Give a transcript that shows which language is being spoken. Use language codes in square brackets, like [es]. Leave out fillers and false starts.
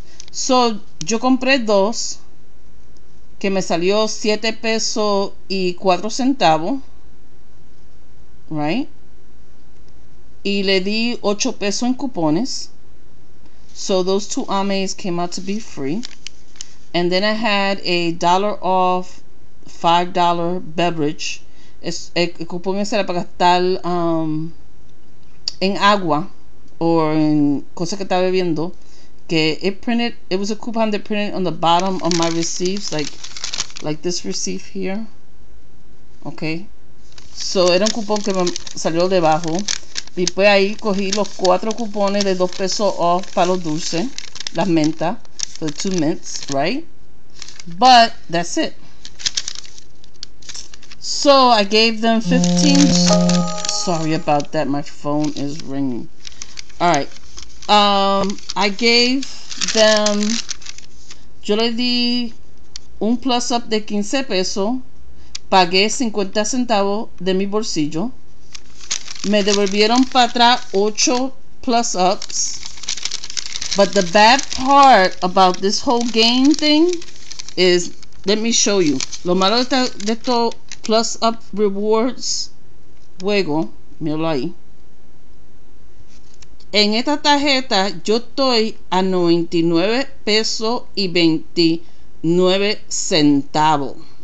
[es] So, yo compré 2. Que me salió 7 pesos y 4 centavos. Right? Y le di 8 pesos en cupones. [en] So those 2 AMEs came out to be free. And then I had a dollar off $5 beverage. [es] El cupón ese era para gastar en agua o en cosas que estaba bebiendo. [en] Que it printed, it was a coupon that printed on the bottom of my receipts, like this receipt here. Okay. [es] So era un cupón que me salió debajo. Y pues ahí cogí los 4 cupones de 2 pesos off para los dulces, las mentas, [en] the 2 mints, right? But that's it. So I gave them 15. Sorry about that, my phone is ringing. Alright. I gave them. [es] Yo le di un plus up de 15 pesos. Pagué 50 centavos de mi bolsillo. Me devolvieron para atrás 8 plus ups. [en] But the bad part about this whole game thing is, let me show you. [es] Lo malo de esto plus up rewards juego, míralo ahí. En esta tarjeta yo estoy a 99 pesos y 29 centavos.